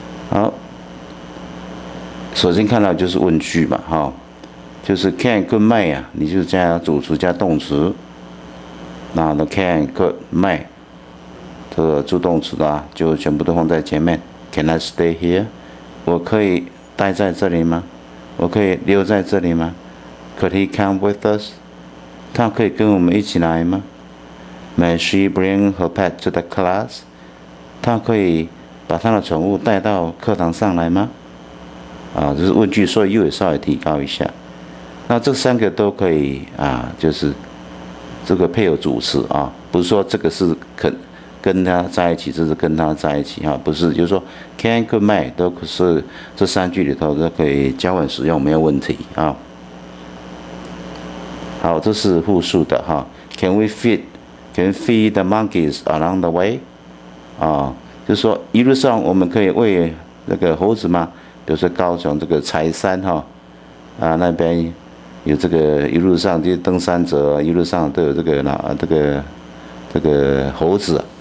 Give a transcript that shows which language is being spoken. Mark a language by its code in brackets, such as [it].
[zh] 好，首先看到就是问句嘛哈，就是 can, could, may 啊，你就加主词加动词，那 the can, could, may。这个助动词的、啊、就全部都放在前面。 [en] Can I stay here? [zh] 我可以待在这里吗？我可以留在这里吗？ [en] Could he come with us? [zh] 他可以跟我们一起来吗？ [en] May she bring her pet to the class? [zh] 他可以把他的宠物带到课堂上来吗？啊，就是问句，所以又稍微提高一下。那这三个都可以啊，就是这个配有主词啊，不是说这个是肯。跟他在一起，这是跟他在一起哈，不是，就是说 can, could, may 都是这三句里头都可以交换使用，没有问题啊。好，这是复数的哈。 [en] Can we feed, can feed the monkeys along the way? [zh] 啊，就是说一路上我们可以喂那个猴子吗？比如说高雄这个柴山哈，啊那边有这个一路上这些登山者一路上都有这个这个猴子。